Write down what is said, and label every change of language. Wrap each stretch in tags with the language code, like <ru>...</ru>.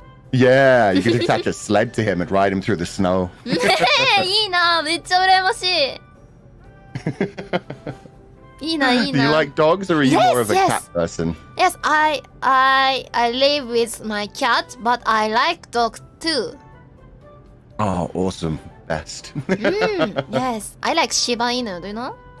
<en>Yeah, you can attach a sled to him and ride him through the snow.</en> <ja>いいな、めっちゃ羨ましい。いいな、いいな。</ja> <en>Do you like dogs or are you more of a cat person? Yes, I live with my cat, but I like dog too. Oh, awesome. Best. Yes, I like Shiba Inu, do you know?</en>